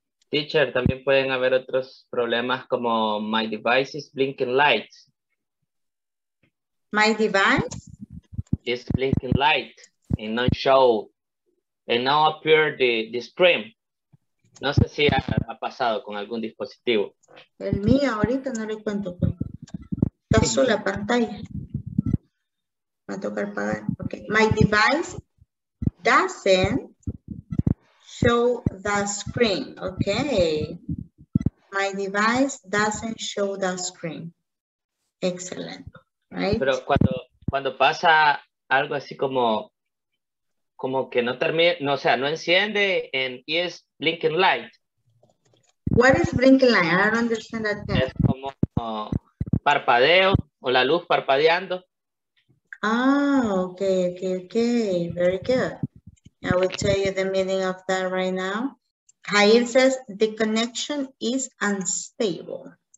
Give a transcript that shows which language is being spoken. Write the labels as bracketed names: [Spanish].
[Spanish] Teacher, también pueden haber otros problemas como [English] my device is blinking light. My device? It's blinking light and no show and no appear the screen. [Spanish] No sé si ha pasado con algún dispositivo. El mío ahorita no le cuento. Está azul la pantalla. Va a tocar pagar. Okay. [English] My device doesn't show the screen. Okay. My device doesn't show the screen. Excellent. Right? [Spanish] Pero cuando pasa algo así como que no termina, no, o sea, no enciende en es [English] blinking light. What is blinking light? I don't understand that term. [Spanish] Es como parpadeo o la luz parpadeando. [English] Ah, okay. Very good. I will tell you the meaning of that right now. Jair says the connection is unstable.